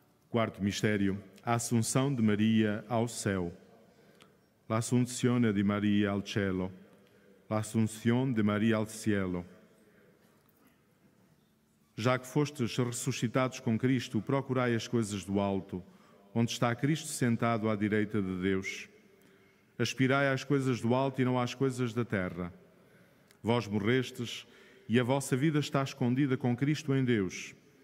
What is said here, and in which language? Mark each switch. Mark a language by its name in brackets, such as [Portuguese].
[Portuguese] Quarto mistério, a Assunção de Maria ao Céu. [Italian] L'Assunzione di Maria al Cielo. L'Assunzione de Maria al Cielo. [Portuguese] Já que fostes ressuscitados com Cristo, procurai as coisas do alto, onde está Cristo sentado à direita de Deus. Aspirai às coisas do alto e não às coisas da terra. Vós morrestes e a vossa vida está escondida com Cristo em Deus.